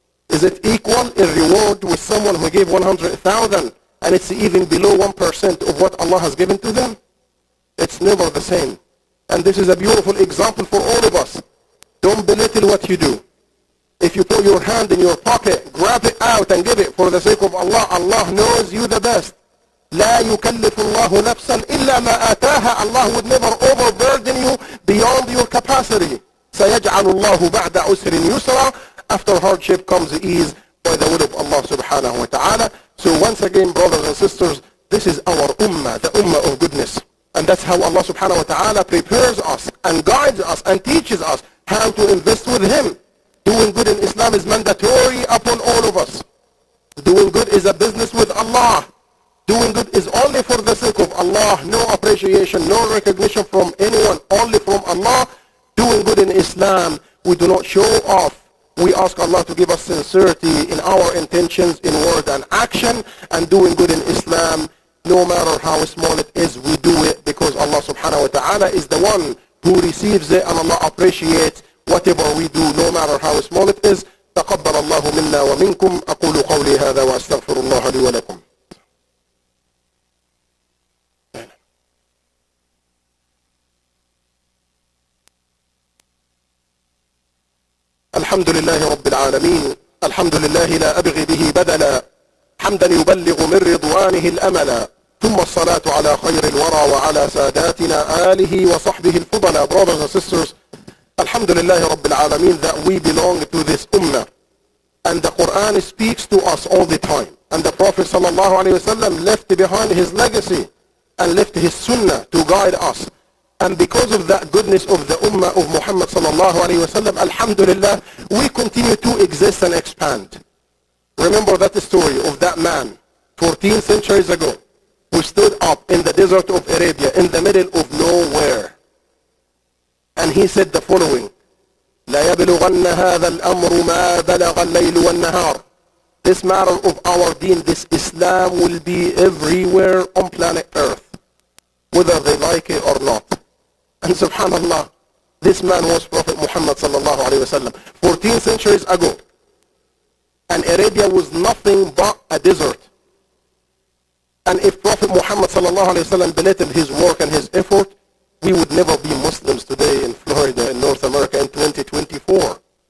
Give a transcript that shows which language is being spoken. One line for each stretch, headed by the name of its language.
English: Is it equal in reward with someone who gave 100,000 and it's even below 1% of what Allah has given to them? It's never the same. And this is a beautiful example for all of us. Don't belittle what you do. If you put your hand in your pocket, grab it out and give it for the sake of Allah. Allah knows you the best.
Arabic: لا يكلف الله نفسا إلا ما آتاها.
English: Allah would never overburden you beyond your capacity.
Arabic: سيجعل الله بعد عسر يسرا.
English: After hardship comes ease by the will of Allah subhanahu wa ta'ala. So once again, brothers and sisters, this is our ummah, the ummah of goodness. And that's how Allah subhanahu wa ta'ala prepares us and guides us and teaches us how to invest with Him. Doing good in Islam is mandatory upon all of us. Doing good is a business with Allah. Doing good is only for the sake of Allah. No appreciation, no recognition from anyone, only from Allah. Doing good in Islam, we do not show off. We ask Allah to give us sincerity in our intentions, in word and action. And doing good in Islam, no matter how small it is, we do it because Allah subhanahu wa ta'ala is the one who receives it, and Allah appreciates whatever we do, no matter how small it is.
Arabic: تقبل الله منا ومنكم أقول قولي هذا وأستغفر الله لي ولكم. الحمد لله رب العالمين. الحمد لله لا أبغي به بدلا. حمدا يبلغ من رضوانه الأملا. ثم الصلاة على خير الورى وعلى ساداتنا آله وصحبه الفضلاء.
English: Brothers and sisters,
Arabic: الحمد لله رب العالمين
English: that we belong to this ummah. And the Quran speaks to us all the time. And the Prophet صلى الله عليه وسلم left behind his legacy and left his sunnah to guide us. And because of that goodness of the ummah of Muhammad صلى الله عليه وسلم, الحمد لله, we continue to exist and expand. Remember that story of that man 14 centuries ago who stood up in the desert of Arabia in the middle of nowhere. And he said the following,
Arabic: لا يبلغن هذا الأمر ما بلغ الليل والنهار.
English: This matter of our deen, this Islam will be everywhere on planet earth, whether they like it or not. And subhanAllah, this man was Prophet Muhammad صلى الله عليه وسلم 14 centuries ago. And Arabia was nothing but a desert. And if Prophet Muhammad صلى الله عليه وسلم belittled his work and his effort, we would never be Muslims today in Florida and North America in 2024.